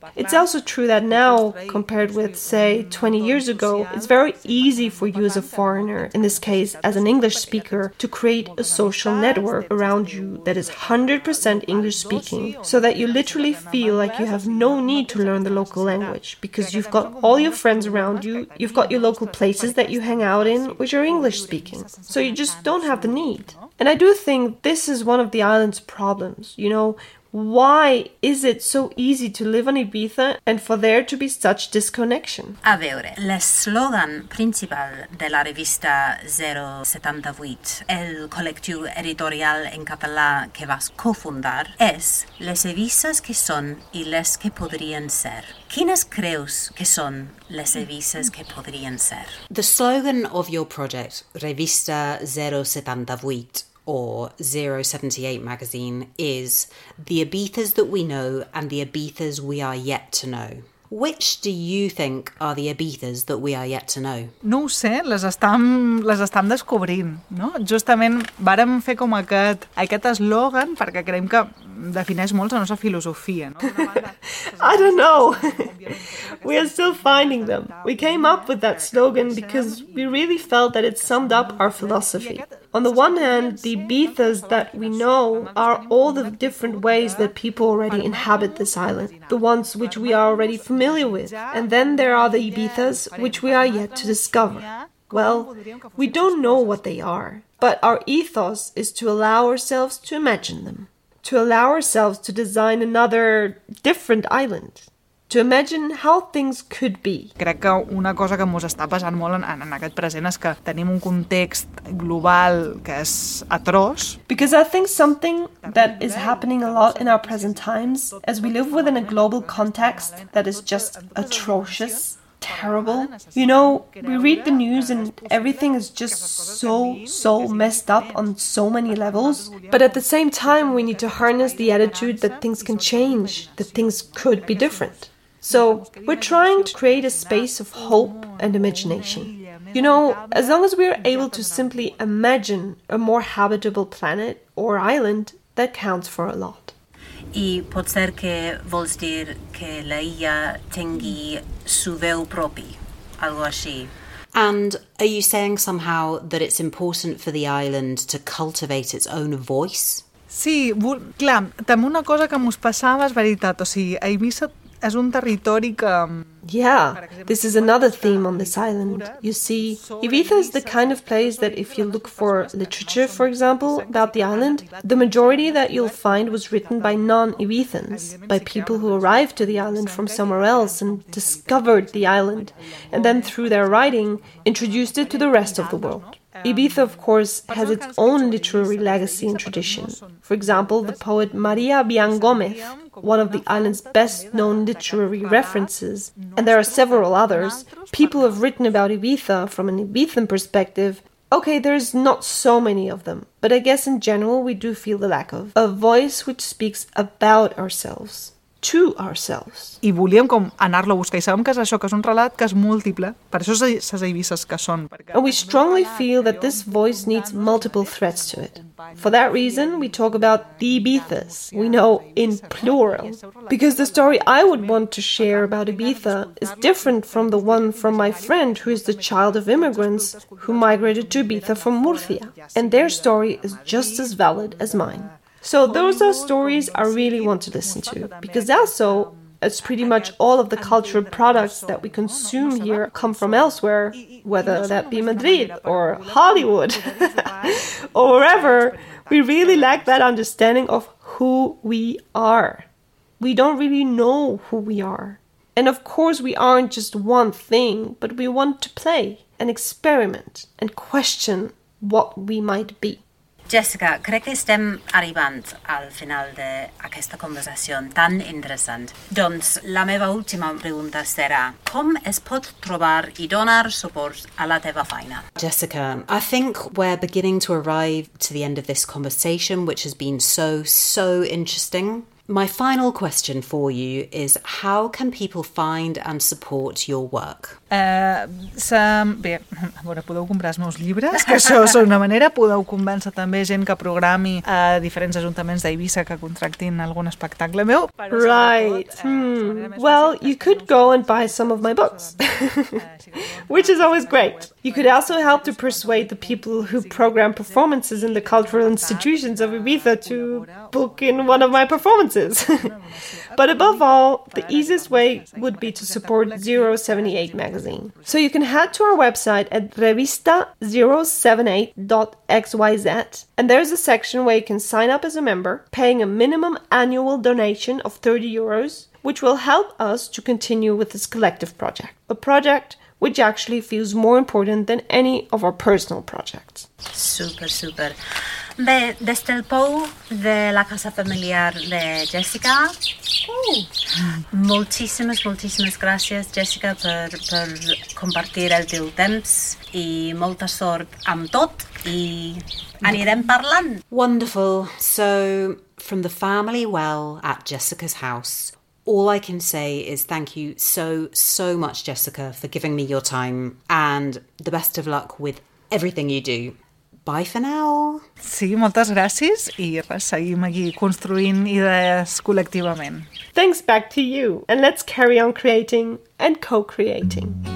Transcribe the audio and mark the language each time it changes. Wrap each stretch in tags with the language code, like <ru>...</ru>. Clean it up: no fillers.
<en>It's also true that now, compared with, say, 20 years ago, it's very easy for you as a foreigner, in this case as an English speaker, to create a social network around you that is 100% English speaking, so that you literally feel like you have no need to learn the local language, because you've got all your friends around you, you've got your local places that you hang out in, which are English speaking. So you just don't have the need. And I do think this is one of the island's problems, you know. Why is it so easy to live on Ibiza and for there to be such disconnection?</en> <ca>A veure, l'eslògan principal de la revista 078, el col·lectiu editorial en català que vas cofundar, és les Ibizas que són i les que podrien ser. Quines creus que són les Ibizas que podrien ser?</ca> <en>The slogan of your project, Revista 078, or 078 magazine, is the Ibizas that we know and the Ibizas we are yet to know. Which do you think are the Ibizas that we are yet to know?</en> <ca>No ho sé, les estem descobrint, no? Justament vàrem fer com aquest eslògan perquè creiem que defineix molt la nostra filosofia, no?</ca> <en>I don't know. We are still finding them. We came up with that slogan because we really felt that it summed up our philosophy. On the one hand, the Ibizas that we know are all the different ways that people already inhabit this island, the ones which we are already familiar with. And then there are the Ibizas which we are yet to discover. Well, we don't know what they are, but our ethos is to allow ourselves to imagine them. To allow ourselves to design another different island. To imagine how things could be.</en> <ca>Crec que una cosa que mos està passant molt en aquest present és que tenim un context global que és atroç.</ca> <en>Because I think something that is happening a lot in our present times, as we live within a global context that is just atrocious, terrible. You know, we read the news and everything is just so, so messed up on so many levels. But at the same time, we need to harness the attitude that things can change, that things could be different. So, we're trying to create a space of hope and imagination. You know, as long as we are able to simply imagine a more habitable planet or island, that counts for a lot.</en> <ca>I pot ser que vols dir que la illa tingui su veu propi, algo així.</ca> <en>And are you saying somehow that it's important for the island to cultivate its own voice?</en> <ca>Sí, clar, també una cosa que mos passava és veritat, o sigui, a Ibiza és un territori que...</ca> <en>Yeah, this is another theme on this island. You see, Ibiza is the kind of place that if you look for literature, for example, about the island, the majority that you'll find was written by non-Ibizans, by people who arrived to the island from somewhere else and discovered the island, and then through their writing, introduced it to the rest of the world. Ibiza, of course, has its own literary legacy and tradition. For example, the poet Maria Bian Gómez, one of the island's best-known literary references, and there are several others. People have written about Ibiza from an Ibizan perspective. Okay, there's not so many of them, but I guess in general we do feel the lack of a voice which speaks about ourselves, to ourselves.</en> <ca>I volíem com anar-lo a buscar, i sabem que és això, que és un relat que és múltiple, per això ses Ibizas que són.</ca> <en>And we strongly feel that this voice needs multiple threads to it. For that reason, we talk about the Ibizas, we know, in plural. Because the story I would want to share about Ibiza is different from the one from my friend who is the child of immigrants who migrated to Ibiza from Murcia. And their story is just as valid as mine. So those are stories I really want to listen to, because also, as pretty much all of the cultural products that we consume here come from elsewhere, whether that be Madrid or Hollywood or wherever, we really lack that understanding of who we are. We don't really know who we are. And of course we aren't just one thing, but we want to play and experiment and question what we might be.</en> <ca>Jessica, crec que estem arribant al final d'aquesta conversació tan interessant. Doncs la meva última pregunta serà, com es pot trobar I donar suport a la teva feina?</ca> <en>Jessica, I think we're beginning to arrive to the end of this conversation, which has been so, so interesting. My final question for you is, how can people find and support your work?</en> <ca>Bé, a veure, podeu comprar els meus llibres, que això és una manera. Podeu convèncer també gent que programi a diferents ajuntaments d'Eivissa que contractin algun espectacle meu.</ca> <en>Right. Well, you could go and buy some of my books, which is always great. You could also help to persuade the people who program performances in the cultural institutions of Eivissa to book in one of my performances. But above all, the easiest way would be to support 078 magazine. So you can head to our website at revista078.xyz, and there's a section where you can sign up as a member, paying a minimum annual donation of 30 euros, which will help us to continue with this collective project. A project which actually feels more important than any of our personal projects.</en> <ca>Super, super. Bé, des del pou de la casa familiar de Jessica. Moltíssimes, moltíssimes gràcies, Jessica, per compartir el teu temps I molta sort amb tot I anirem parlant.</ca> <en>Wonderful. So, from the family well at Jessica's house, all I can say is thank you so, so much, Jessica, for giving me your time and the best of luck with everything you do. Bye for now.</en> <ca>Sí, moltes gràcies I res, seguim aquí construint idees col·lectivament.</ca> <en>Thanks back to you and let's carry on creating and co-creating.</en>